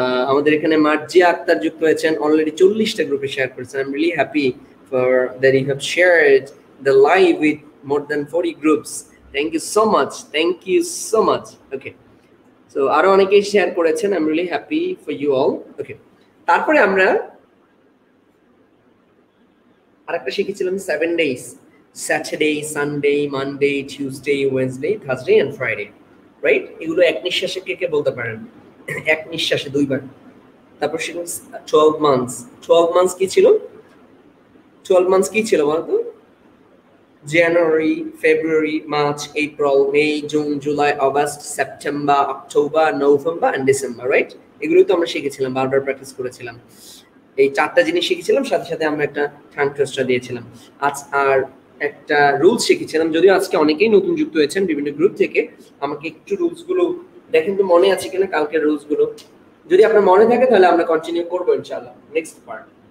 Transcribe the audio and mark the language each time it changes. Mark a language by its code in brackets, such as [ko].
[bn] আমাদের এখানে মার্জি আক্তার যুক্ত হয়েছেন, অলরেডি 40টা গ্রুপে শেয়ার করেছেন, [en] I am really happy for that you have shared the live with more than 40 groups, thank you so much, [bn] thank you so much. [en] okay, so [bn] আরও অনেকে share করেছেন, [en] I am really happy for you all. [bn] ওকে, তারপরে আমরা আরেকটা শিখেছিলাম 7 days, [en] Saturday, Sunday, Monday, Tuesday, Wednesday, Thursday and Friday, right? [bn] এগুলো এক নিঃশ্বাসে কে কে বলতে পারেন? এক নিঃশ্বাসে দুইবার। তারপর ছিল 12 মান্থস। 12 মান্থস কি ছিল? 12 মান্থস কি ছিল বলতো? [en] January, February, March, April, May, June, July, August, September, October, November and December, right? [bn] এগুলো তো আমরা শিখেছিলাম, বারবার প্র্যাকটিস করেছিলাম। এই চারটা জিনিস শিখেছিলাম, সাথে সাথে আমরা একটা টাঙ্ক টুইস্টার দিয়েছিলাম। আজ আর একটা রুলস শিখেছিলাম, যদিও আজকে অনেকেই নতুন যুক্ত হয়েছেন বিভিন্ন গ্রুপ থেকে। আমাকে একটু রুলসগুলো দেখেন তো, মনে আছে কিনা কালকের রুলসগুলো? যদি আপনার মনে থাকে তাহলে আমরা কন্টিনিউ করবো ইনশাল্লাহ নেক্সট পার্ট।